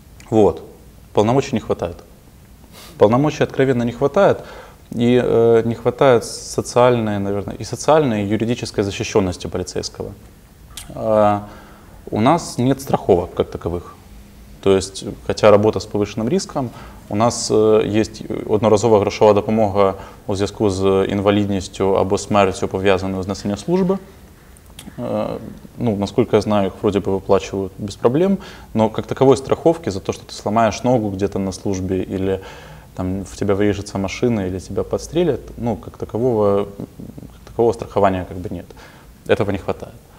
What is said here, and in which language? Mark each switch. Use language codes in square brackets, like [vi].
[ru] Вот. Полномочий не хватает. Полномочий откровенно не хватает. И не хватает социальной, наверное, и социальной, и юридической защищенности полицейского. У нас нет страховок как таковых. То есть, хотя работа с повышенным риском, у нас есть одноразовая [uk] грошовая допомога у зв'язку з інвалідністю або смертю, пов'язаною з несенням служби. Ну, наскільки я знаю, їх вроде би виплачують без проблем, [ru] но как таковой страховки за то, что ты сломаешь ногу где-то на службе или там в тебя врежется машина или тебя подстрелят, ну, как такового страхования как бы нет. Этого не хватает.